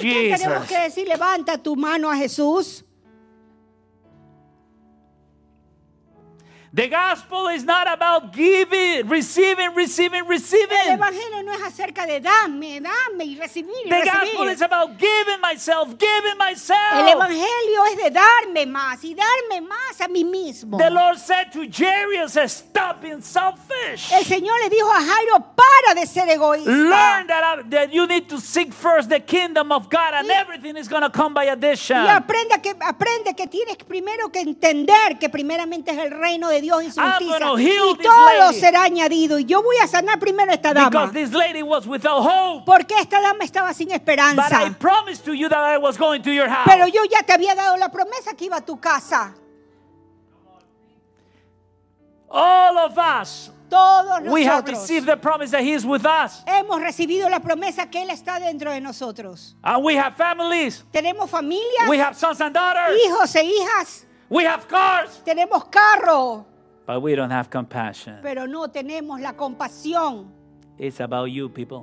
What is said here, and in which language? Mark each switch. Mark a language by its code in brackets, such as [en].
[es] ¿Por qué tenemos que decir, levanta tu mano a Jesús? [en] The gospel is not about giving, receiving, receiving, receiving. [es] El evangelio no es acerca de dame, dame y recibir. [en] The [es] recibir. [en] Gospel is about giving myself. [es] El evangelio es de darme más y darme más a mí mismo. [en] The Lord said to Jairus, stop being selfish. [es] El Señor le dijo a Jairo, para de ser egoísta. [en] Learn that you need to seek first the kingdom of God and everything is going to come by addition. [es] Y aprende que tienes primero que entender que primeramente es el reino de Dios y su justicia, y todo será añadido. Y yo voy a sanar primero a esta dama. [en] Because this lady was without hope. [es] Porque esta dama estaba sin esperanza. [en] But I promised to you that I was going to your house. [es] Pero yo ya te había dado la promesa que iba a tu casa. [en] All of us. [es] Todos nosotros. [en] We have received the promise that he is with us. [es] Hemos recibido la promesa que él está dentro de nosotros. [en] And we have families. [es] Tenemos familias. [en] We have sons and daughters. [es] Hijos e hijas. [en] We have cars. [es] Tenemos carro. [en] But we don't have compassion. [es] Pero no tenemos la compasión. [en] It's about you, people.